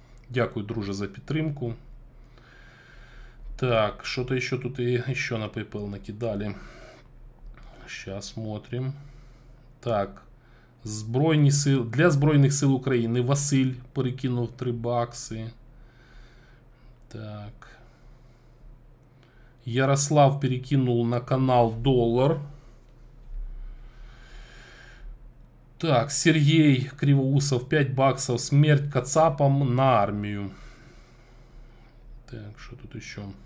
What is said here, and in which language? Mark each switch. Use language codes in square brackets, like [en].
[uk] Дякую, друже, за підтримку. [ru] Так, что-то еще тут и еще на PayPal накидали. Сейчас смотрим. [uk] Так, для Збройних сил України Василь перекинув 3 бакси. Так. [ru] Ярослав перекинул на канал доллар. Так, Сергей Кривоусов 5 баксов. Смерть кацапам на армию. Так, что тут еще?